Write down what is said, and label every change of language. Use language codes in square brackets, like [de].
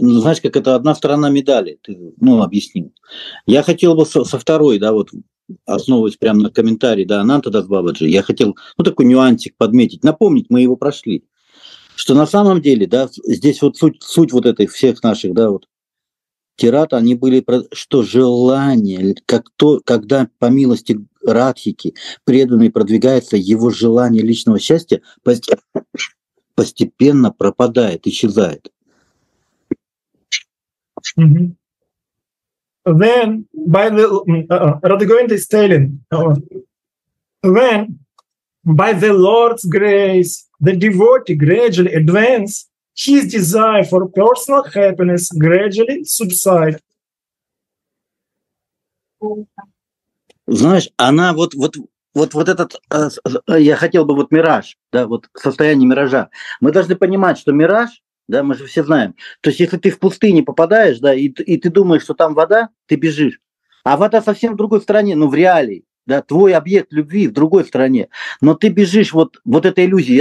[ru] Ну, знаешь, как это одна сторона медали, ты, ну, объяснил. Я хотел бы со второй, да, вот, основываясь прямо на комментарии, да, Анантадас Бабаджи, я хотел, ну, такой нюансик подметить, напомнить, мы его прошли, что на самом деле, да, здесь вот суть вот этой всех наших, да, вот, тираты, они были, что желание, как то, когда по милости Радхики преданный продвигается, его желание личного счастья постепенно пропадает, исчезает. Mm-hmm. [en] Then, by the Radhagovinda is telling, when by the Lord's grace, the devotee gradually advances, his desire for personal happiness gradually subsides. [ru] Знаешь, она вот этот, я хотел бы вот мираж, да, вот состояние миража. Мы должны понимать, что мираж, да, мы же все знаем, то есть если ты в пустыне попадаешь, да, и ты думаешь, что там вода, ты бежишь, а вода совсем в другой стороне, ну, в реалии, да, твой объект любви в другой стороне, но ты бежишь вот этой иллюзии.